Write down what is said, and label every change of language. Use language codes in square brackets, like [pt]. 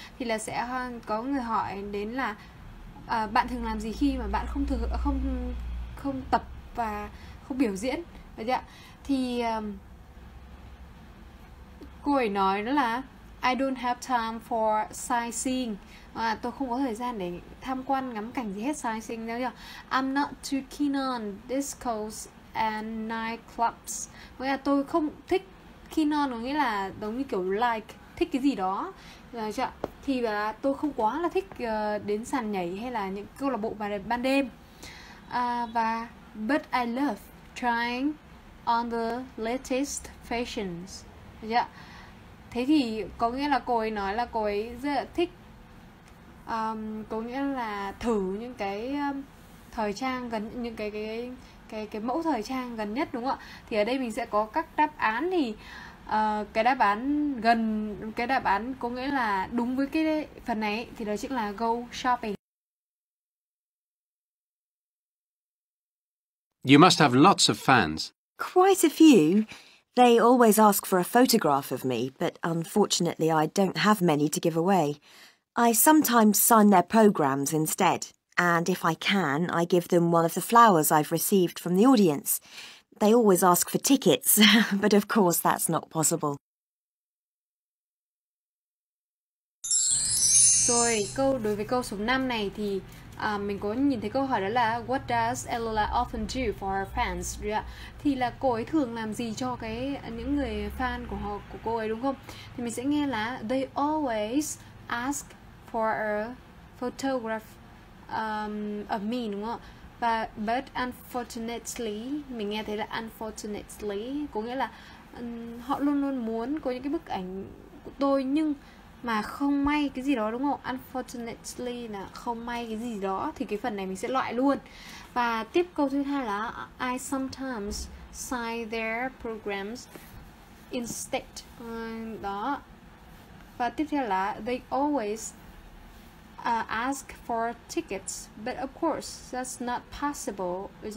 [vi] Thì là sẽ có người hỏi đến là bạn thường làm gì khi mà bạn không thực không không tập và không biểu diễn? Được chưa? Thì cô ấy nói đó là [en] I don't have time for sightseeing. [vi] À, tôi không có thời gian để tham quan ngắm cảnh gì hết, sightseeing đâu nhỉ. [en] I'm not too keen on discos and nightclubs. [vi] Với là tôi không thích, keen on có nghĩa là giống như kiểu like, thích cái gì đó. Được chưa? Thì là tôi không quá là thích đến sàn nhảy hay là những câu lạc bộ vào ban đêm. Và [en] but I love trying on the latest fashions. [vi] Được chưa? Thế thì có nghĩa là cô ấy nói là cô ấy rất là thích, có nghĩa là thử những cái thời trang gần, những cái mẫu thời trang gần nhất đúng không ạ? Thì ở đây mình sẽ có các đáp án. Thì cái đáp án gần, cái đáp án có nghĩa là đúng với cái phần này thì đó chính là [en] go shopping. You must have lots of fans. Quite a few. They always ask for a photograph of me, but unfortunately, I don't have many to give away. I sometimes sign their programs instead, and if I can, I give them one of the flowers I've received from the audience. They always ask for tickets, but of course, that's not possible. [vi] Rồi, câu đối với câu số 5 này thì mình có nhìn thấy câu hỏi đó là [en] what does Ella often do for her fans? Yeah. [vi] Thì là cô ấy thường làm gì cho những người fan của họ của cô ấy đúng không? Thì mình sẽ nghe là [en] they always ask for a photograph of me [vi] đúng không? Và [en] but unfortunately, [vi] mình nghe thấy là unfortunately có nghĩa là họ luôn luôn muốn có những cái bức ảnh của tôi nhưng mà không may cái gì đó đúng không? Unfortunately là không may cái gì đó thì cái phần này mình sẽ loại luôn. Và tiếp câu thứ hai là [en] I sometimes sign their programs instead. [vi] Đó. Và tiếp theo là [en] they always ask for tickets, but of course that's not possible.